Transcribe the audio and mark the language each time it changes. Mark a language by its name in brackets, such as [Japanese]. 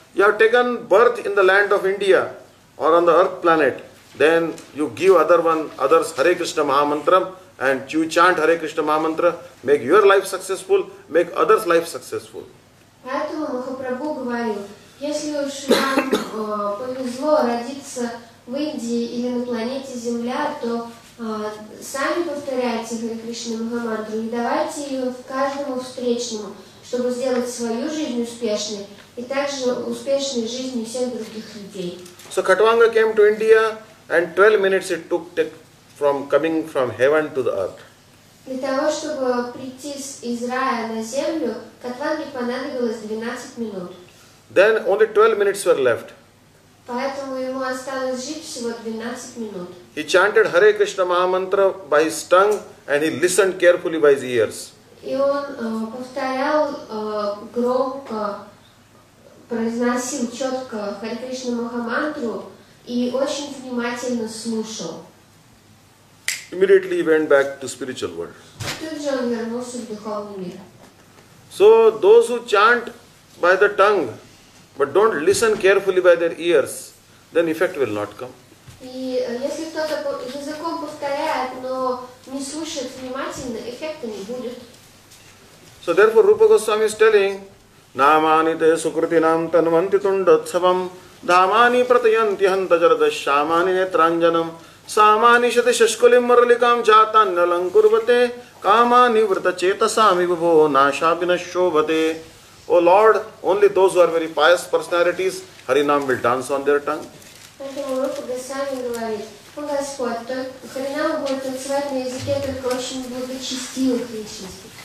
[English] You have taken birth in the land of India or on the earth planet. Then you give others Hare Krishna Mahamantra and you chant Hare Krishna Mahamantra. Make your life successful, make others' life successful. [Russian] Поэтому Махапрабху говорил, если уж вам повезло родиться в Индии или на планете Земля, то сами повторяйте Хари Кришну Махамантру и давайте ее каждому встречному, чтобы сделать свою жизнь успешной и также успешной жизнью всех других людей. [English] So Khatvanga came to India and 12 minutes it took from coming from heaven to the earth. [Russian] Для того, чтобы прийти из рая на землю, Khatvanga понадобилось 12 минут. [English] Then only 12 minutes were left. [Russian] Поэтому ему осталось жить всего 12 минут. [English] He chanted Hare Krishna Mahamantra by his tongue and he listened carefully by his ears. [Russian] И он повторял громко, произносил четко Hare Krishna Mahamantra и очень внимательно слушал. [English] Immediately he went back to spiritual world. [Russian] Тут же он вернулся в духовный мир. [English] So those who chant by the tongue but don't listen carefully by their ears, then effect will not come. [Russian] И если кто-то языком повторяет, но не слушает внимательно, эффекта не будет. [English] So therefore Rupa Goswami is telling, [Sanskrit] Namani te sukritinam tanvanti tundatsavam, Dhamani pratayanti hantajaradas, Shamani netranjanam, Samani shati shashkulim maralikam jatan nalankurvate, Kamani vrta chetasami vubho nashabinashovate. [English] O Lord, only those who are very pious personalities, Harinam will dance on their tongue. [Russian] Поэтому Рупа Госвами говорит, «О Господь, Харинама будет танцевать на языке только очень благочестивых личностей».